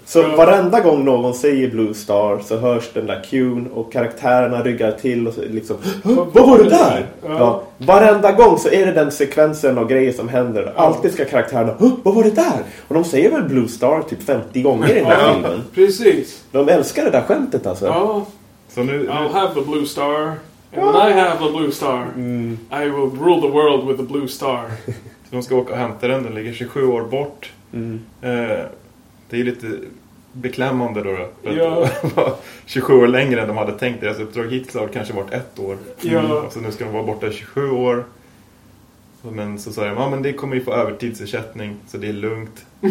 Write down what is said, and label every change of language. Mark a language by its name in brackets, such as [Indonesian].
[Swedish] Så varenda gång någon säger Blue Star så hörs den där cuen och karaktärerna ryggar till och liksom, vad var det där? Ja. Varenda gång så är det den sekvensen och grejer som händer. Alltid ska karaktärerna, vad var det där? Och de säger väl Blue Star typ 50 gånger i den här filmen. Precis. De älskar det där skämtet alltså. Ja. Så nu, [English] I'll have the Blue Star. And when I have a Blue Star, I will rule the world with a Blue Star. [Swedish] Så de ska åka och hämta den. Den ligger 27 år bort. Det är lite beklämmande då. Ja. 27 år längre än de hade tänkt. Deras uppdrag hittills har kanske varit ett år. Ja. Så nu ska de vara borta 27 år. Men så säger man, men det kommer ju få övertidsersättning. Så det är lugnt.